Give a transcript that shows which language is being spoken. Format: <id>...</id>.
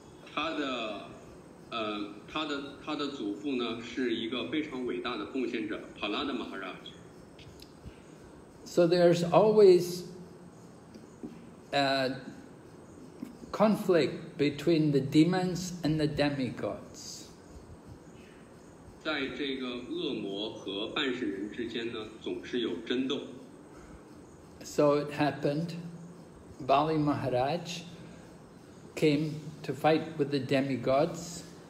<zh>他的祖父呢，是一个非常伟大的奉献者 Prahlad Maharaj.</zh> <en>So there's always conflict between the demons and the demigods.</en> <zh>在这个恶魔和半神人之间呢，总是有争斗.</zh> <en>So it happened, Bali Maharaj came to fight with the demigods.</en>